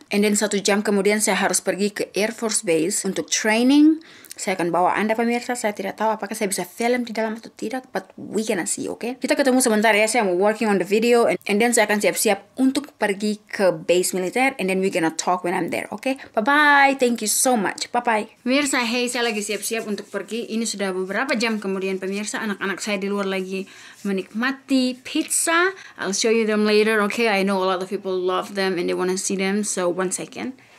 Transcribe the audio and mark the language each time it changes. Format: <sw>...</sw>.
<id>And then 1 jam kemudian saya harus pergi ke Air Force Base untuk training. Saya akan bawa anda pemirsa, saya tidak tahu apakah saya bisa film di dalam atau tidak,</id> <en>but we gonna see, okay?</en> <id>Kita ketemu sebentar ya,</id> <en>saya working on the video, and then</en> <id>saya akan siap-siap untuk pergi ke base militer,</id> <en>and then we gonna talk when I'm there, okay? Bye-bye, thank you so much, bye-bye.</en> <id>Pemirsa, hey, saya lagi siap-siap untuk pergi, ini sudah beberapa jam kemudian pemirsa, anak-anak saya di luar lagi menikmati pizza.</id> <en>I'll show you them later, okay? I know a lot of people love them and they wanna see them, so 1 second.</en>